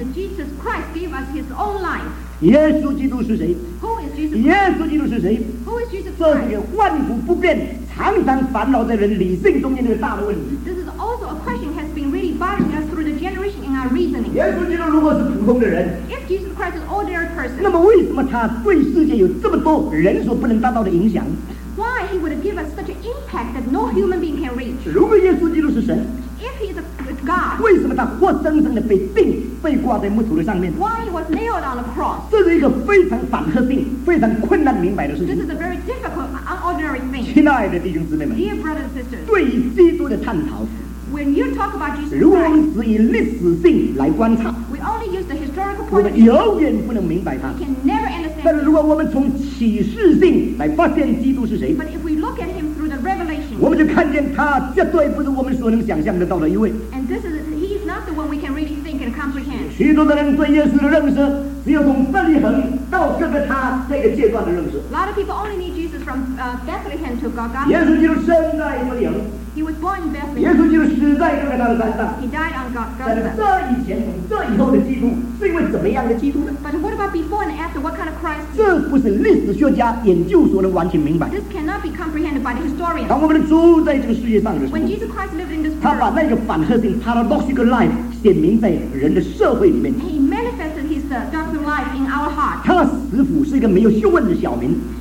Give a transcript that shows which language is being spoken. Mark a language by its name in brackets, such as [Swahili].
[English] And Jesus Christ gave us his own life. [Chinese] 耶稣基督是谁？ [English] Who is Jesus Christ? [Chinese] 耶稣基督是谁？ [English] Who is Jesus Christ? [Chinese] 这是一个万古不变，常常烦恼在人理性中间的大的问题。 [English] This is also a question that has been really bothering us through the generation in our reasoning. [Chinese] 耶稣基督如果是普通的人， [English] If Jesus Christ is an ordinary person, [Chinese] 那么为什么他对世界有这么多人所不能达到的影响？ [English] Why he would give us such an impact that no human being can reach? [Chinese] 如果耶稣基督是神， [English] If he is a God, [Chinese] 为什么他活生生的被钉被挂在木头的上面？ [English] Why he was nailed on the cross? [Chinese] 这是一个非常反射性非常困难明白的事情。 [English] This is a very difficult, unordinary thing. [Chinese] 亲爱的弟兄姊妹们， [English] Dear brothers and sisters, [Chinese] 对于基督的探讨， [English] When you talk about Jesus Christ, [Chinese] 如果我们只以历史性来观察， [English] We only use the historical point, [Chinese] 我们永远不能明白它。 [English] We can never understand. [Chinese] 但如果我们从启示性来发现基督是谁， [English] But if we look at him through the revelation, [Chinese] 我们就看见他绝对不是我们所能想象得到的一位。 [English] And this is, he is not the one we can really think and comprehend. [Chinese] 许多的人对耶稣的认识， 只有从伯利恒到哥哥他这个阶段的认识。 [English] A lot of people only need Jesus from Bethlehem to Golgotha. [Chinese] 耶稣基督生在伯利恒， [English] He was born in Bethlehem. [Chinese] 耶稣基督死在哥哥他的山上。 [English] He died on Golgotha. [Chinese] 这以前这以后的基督是因为怎么样的基督呢？ [English] But what about before and after? What kind of Christ? [Chinese] 这不是历史学家研究所能完全明白。 [English] This cannot be comprehended by the historian. [Chinese] 当我们住在这个世界上的时候， [English] When Jesus Christ lived in this world, [Chinese] 他把那个反合性 [English] paradoxical life [Chinese] 显明在人的社会里面。 [English] He manifested his doctrine life in our heart. [Chinese] 他的死府是一个没有学问的小民。